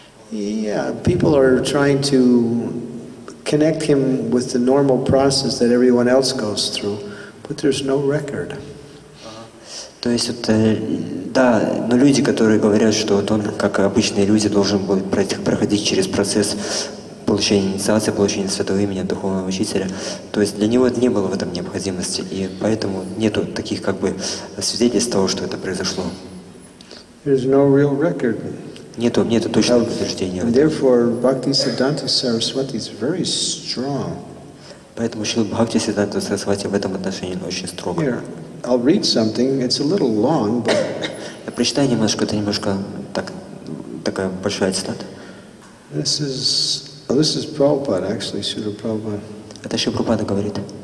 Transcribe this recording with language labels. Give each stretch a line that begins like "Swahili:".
English: Yeah, people are trying to connect him with the normal process that everyone else goes through, but there's no record.
Russian: То есть это, да, но люди, которые говорят, что вот он, как обычные люди, должен был проходить через процесс получения инициации, получения святого имени от духовного учителя, то есть для него это не было в этом необходимости, и поэтому нету таких как бы свидетельств того, что это произошло.
English: There's no real record.
Russian: Нету точного подтверждения.
English: And therefore, Bhakti Siddhanta Saraswati is very strong.
Russian: Поэтому Шрила Бхакти Сиддханта Сарасвати в этом отношении очень строг.
English: I'll read something. It's a little long, but
Russian: я прочитаю немножко, это немножко такая большая цитата.
English: This is Prabhupada, actually, Srila Prabhupada.
Russian: Это Шрила Прабхупада говорит.